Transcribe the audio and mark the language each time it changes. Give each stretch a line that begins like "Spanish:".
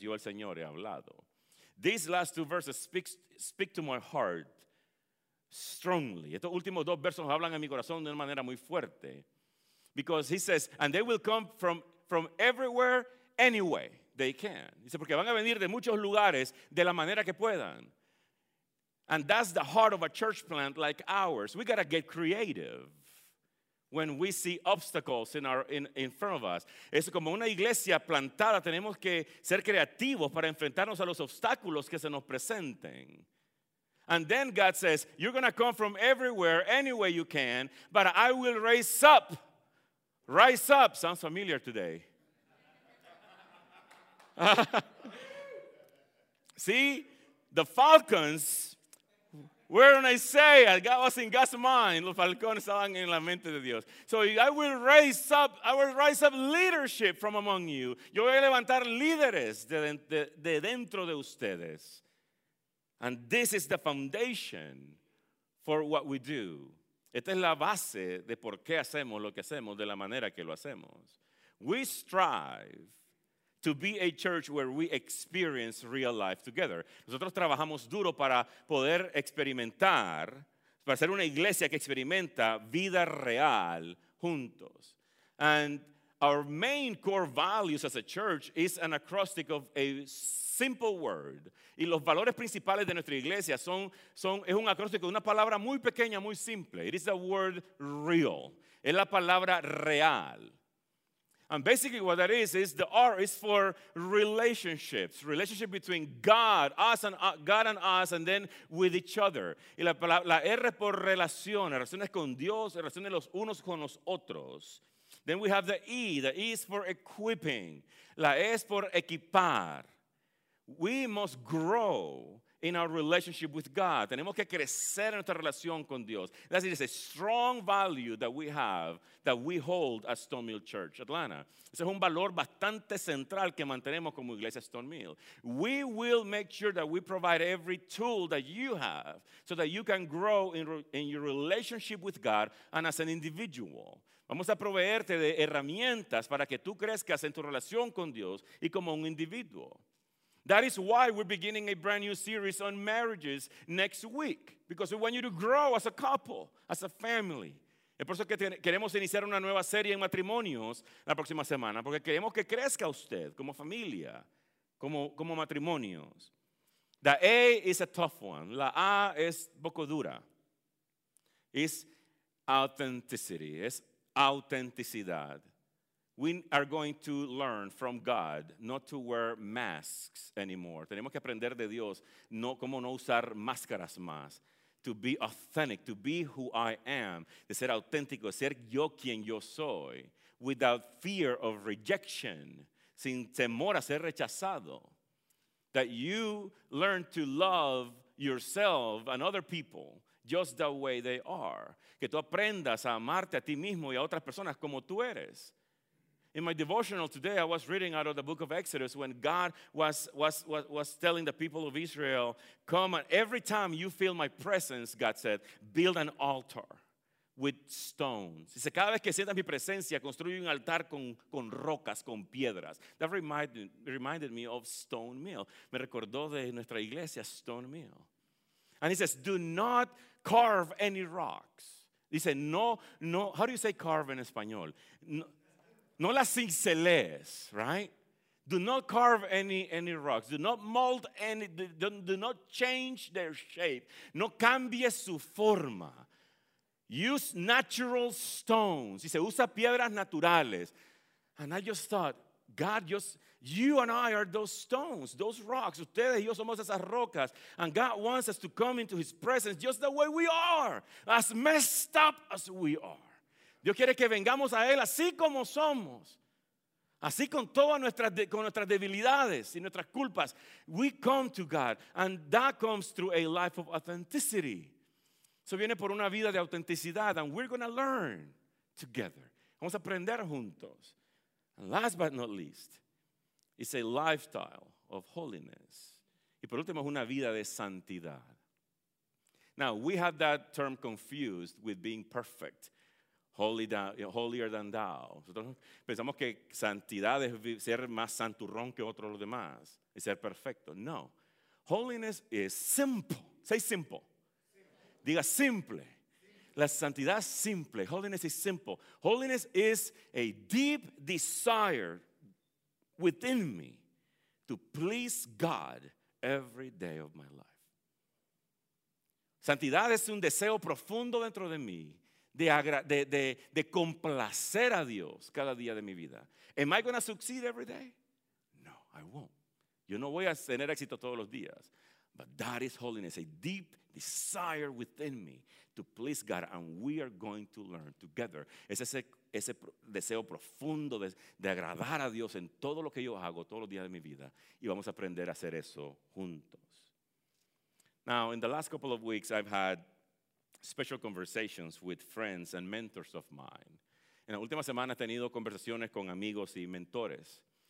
Spanish: Yo, el Señor, he hablado.
English: These last two verses speak to my heart strongly.
Spanish: Estos últimos dos versos hablan a mi corazón de una manera muy fuerte.
English: Because he says, and they will come from everywhere, anyway they can.
Spanish: Dice, porque van a venir de muchos lugares de la manera que puedan.
English: And that's the heart of a church plant like ours. We got to get creative when we see obstacles in front of us.
Spanish: Es como una iglesia plantada. Tenemos que ser creativos para enfrentarnos a los obstáculos que se nos presenten.
English: And then God says, you're going to come from everywhere, any way you can, but I will raise up. Rise up. Sounds familiar today. See, the falcons were in Isaiah. God was in God's mind.
Spanish: Los falcones estaban en la mente de Dios.
English: So I will raise up leadership from among you.
Spanish: Yo voy a levantar líderes de dentro de ustedes.
English: And this is the foundation for what we do.
Spanish: Esta es la base de por qué hacemos lo que hacemos, de la manera que lo hacemos.
English: We strive to be a church where we experience real life together.
Spanish: Nosotros trabajamos duro para poder experimentar, para ser una iglesia que experimenta vida real juntos.
English: And our main core values as a church is an acrostic of a simple word.
Spanish: Y los valores principales de nuestra iglesia es un acróstico de una palabra muy pequeña, muy simple.
English: It is the word real.
Spanish: Es la palabra real.
English: And basically what that is the R is for relationships. Relationship between God, God and us, and then with each other.
Spanish: Y la R es por relaciones, relaciones con Dios, relaciones los unos con los otros.
English: Then we have the E is for equipping.
Spanish: La E es por equipar.
English: We must grow in our relationship with God.
Spanish: Tenemos que crecer en nuestra relación con Dios.
English: That is a strong value that we have, that we hold at Stone Mill Church, Atlanta.
Spanish: Ese es un valor bastante central que mantenemos como iglesia Stone Mill.
English: We will make sure that we provide every tool that you have so that you can grow in your relationship with God and as an individual.
Spanish: Vamos a proveerte de herramientas para que tú crezcas en tu relación con Dios y como un individuo.
English: That is why we're beginning a brand new series on marriages next week. Because we want you to grow as a couple, as a family.
Spanish: Es por eso que queremos iniciar una nueva serie en matrimonios la próxima semana. Porque queremos que crezca usted como familia, como matrimonios.
English: The A is a tough one.
Spanish: La A es poco dura.
English: It's authenticity.
Spanish: Es autenticidad.
English: We are going to learn from God not to wear masks anymore.
Spanish: Tenemos que aprender de Dios cómo no usar máscaras más.
English: To be authentic, to be who I am,
Spanish: de ser auténtico, ser yo quien yo soy,
English: without fear of rejection,
Spanish: sin temor a ser rechazado.
English: That you learn to love yourself and other people just the way they are.
Spanish: Que tú aprendas a amarte a ti mismo y a otras personas como tú eres.
English: In my devotional today, I was reading out of the book of Exodus when God was telling the people of Israel, come and every time you feel my presence, God said, build an altar with stones.
Spanish: Dice, cada vez que sientas mi presencia, construye un altar con rocas, con piedras.
English: That reminded me of Stone Mill.
Spanish: Me recordó de nuestra iglesia, Stone Mill.
English: And he says, do not carve any rocks.
Spanish: Dice, no,
English: how do you say carve in español?
Spanish: No las cinceles,
English: right? Do not carve any rocks. Do not mold any, do not change their shape.
Spanish: No cambies su forma.
English: Use natural stones.
Spanish: Dice, usa piedras naturales.
English: And I just thought, God, just you and I are those stones, those rocks.
Spanish: Ustedes y yo somos esas rocas.
English: And God wants us to come into his presence just the way we are, as messed up as we are.
Spanish: Dios quiere que vengamos a Él así como somos. Así con todas nuestras debilidades y nuestras culpas.
English: We come to God and that comes through a life of authenticity.
Spanish: Eso viene por una vida de autenticidad
English: and we're going to learn together.
Spanish: Vamos a aprender juntos.
English: And last but not least, it's a lifestyle of holiness.
Spanish: Y por último, es una vida de santidad.
English: Now, we have that term confused with being perfect, holier than thou.
Spanish: Nosotros pensamos que santidad es ser más santurrón que otros los demás, y ser perfecto.
English: No. Holiness is simple. Say simple.
Spanish: Diga simple. La santidad es simple.
English: Holiness is simple. Holiness is a deep desire within me to please God every day of my life.
Spanish: Santidad es un deseo profundo dentro de mí de complacer a Dios cada día de mi vida.
English: Am I going to succeed every day? No, I won't.
Spanish: Yo no voy a tener éxito todos los días.
English: But that is holiness, a deep desire within me to please God, and we are going to learn together.
Spanish: Es ese deseo profundo de agradar a Dios en todo lo que yo hago todos los días de mi vida, y vamos a aprender a hacer eso juntos.
English: Now, in the last couple of weeks, I've had special conversations with friends and mentors of mine.
Spanish: En la última semana he tenido conversaciones con amigos y mentores.